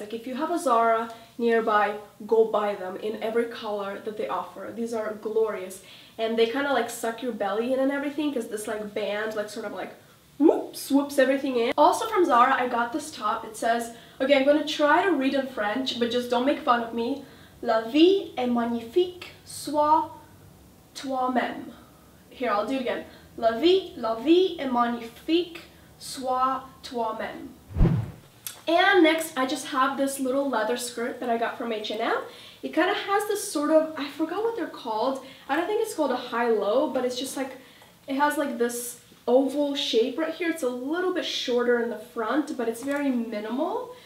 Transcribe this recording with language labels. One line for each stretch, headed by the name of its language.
English: Like if you have a Zara nearby, go buy them in every color that they offer. These are glorious. And they kind of like suck your belly in and everything, because this like band like sort of like swoops everything in. Also from Zara, I got this top. It says, okay, I'm going to try to read in French, but just don't make fun of me.
French: La vie est magnifique, sois toi-même.
English: Here, I'll do it again.
French: La vie est magnifique, sois toi-même.
English: And next, I just have this little leather skirt that I got from H&M. It kind of has this sort of, I forgot what they're called. I don't think it's called a high-low, but it's just like, it has like this oval shape right here. It's a little bit shorter in the front, but it's very minimal.